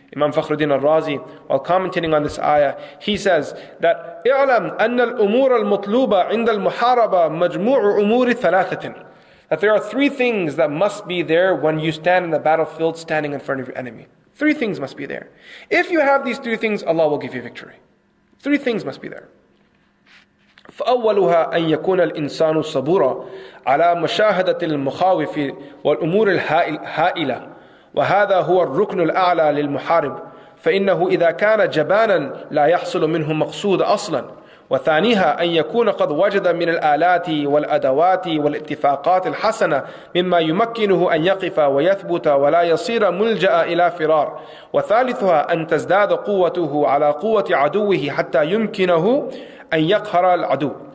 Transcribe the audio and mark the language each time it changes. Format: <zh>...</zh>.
<en>Imam Fakhruddin al-Razi, while commenting on this ayah, he says that</en> <ar>اعلم أن الأمور المطلوبة عند المحاربة مجموع أمور ثلاثة.</ar> <en>That there are three things that must be there when you stand in the battlefield standing in front of your enemy. Three things must be there. If you have these three things, Allah will give you victory. Three things must be there.</en> <ar>فأولها أن يكون الإنسان صبورا على مشاهدة المخاوف والأمور الهائلة. وهذا هو الركن الأعلى للمحارب فإنه إذا كان جبانا لا يحصل منه مقصود أصلا وثانيها أن يكون قد وجد من الآلات والأدوات والاتفاقات الحسنة مما يمكنه أن يقف ويثبت ولا يصير ملجأ إلى فرار وثالثها أن تزداد قوته على قوة عدوه حتى يمكنه أن يقهر العدو.</ar>